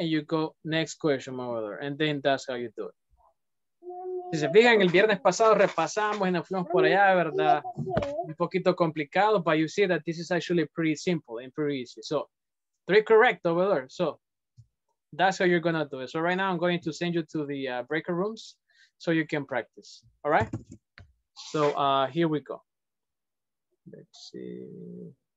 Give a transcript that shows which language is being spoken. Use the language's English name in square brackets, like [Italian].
[English] And you go, next question, my brother, and then that's how you do it. [Spanish] Si se fijan, el viernes pasado repasamos y nos fuimos por allá, ¿verdad? Un poquito complicado, [English] but you see that this is actually pretty simple and pretty easy. So, three correct over there. So, that's how you're going to do it. So, right now, I'm going to send you to the breaker rooms so you can practice. All right? So, here we go. Let's see.